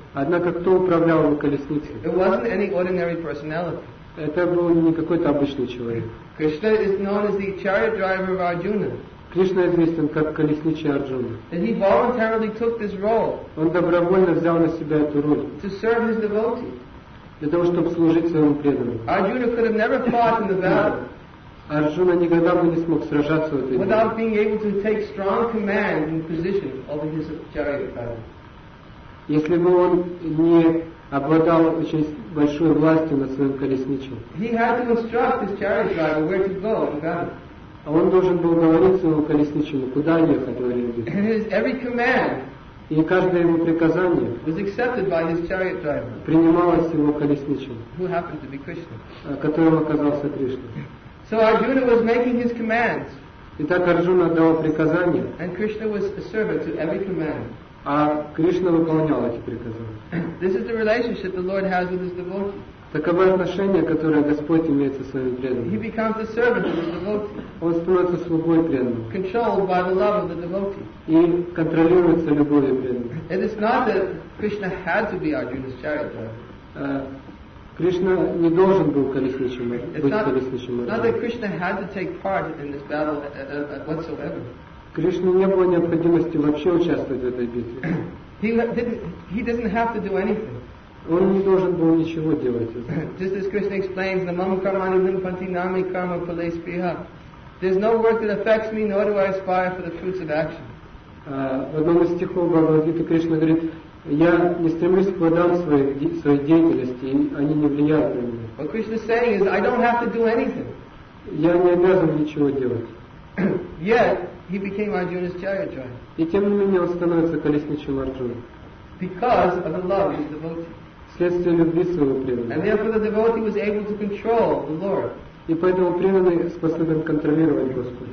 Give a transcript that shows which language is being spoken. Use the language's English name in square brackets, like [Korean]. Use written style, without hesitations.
[Russian] Однако кто управлял его колесницей? [English] It wasn't any ordinary personality. [Russian] Это был не какой-то обычный человек. [English] Krishna is known as the chariot driver of Arjuna. [Russian] Кришна известен как колесничий Арджуна. [English] And he voluntarily took this role. [Russian] Он добровольно взял на себя эту роль. [English] To serve his devotee. [Russian] Для того, чтобы служить своему преданному. [English] Arjuna could have never fought in the battle. [Russian] Арджуна никогда бы не смог сражаться в этой битве. [English] Without being able to take strong command and position over his chariot driver. [Russian] Если бы он не обладал очень большой властью над своим колесничем. [English] He had to instruct his chariot driver where to go and go. [Russian] А он должен был говорить своему колесничему, куда ехать во время битвы. [English] And his every command. [Russian] И каждое его приказание [English] was accepted by his chariot driver, [Russian] принималось его колесничим, [English] who happened to be Krishna. [Russian] Которым оказался Кришна. [English] So Arjuna was making his commands. [Russian] Итак, Арджуна отдавал приказания. [English] And Krishna was a servant to every command. [Russian] А Кришна выполнял эти приказания. [English] This is the relationship the Lord has with his devotee. [Russian] Таково отношение, которое Господь имеет со своим преданным. [English] He becomes a servant of his devotee. [Russian] Он становится слугой преданным. [English] Controlled by the love of the devotee. [Russian] И контролируется любовью преданным. [English] It is not that Krishna had to be Arjuna's chariot driver. [Russian] Кришна не должен был колесничим, быть колесничим. [English] It's not that Krishna had to take part in this battle whatsoever. [Russian] Кришне не было необходимости вообще участвовать в этой битве. [English] He doesn't have to do anything. [Russian] Он не должен был ничего делать. [English] Just as Krishna explains, [Sanskrit] namam karmani limpanti nami karma phale spriha. [English] There's no work that affects me, nor do I aspire for the fruits of action. [Russian] В одном из стихов Бхагавад-гиты Кришна говорит, я не стремлюсь к плодам своей деятельности, и они не влияют на меня. [English] What Krishna is saying is, I don't have to do anything. [Russian] Я не обязан ничего делать. [English] Yet, he became Arjuna's chariot driver. [Russian] И тем не менее он становится колесничим Арджуны. [English] Because of the love of his devotee. [Russian] Вследствие любви своего преданного. [English] And therefore the devotee was able to control the Lord. [Russian] И поэтому преданный способен контролировать Господа.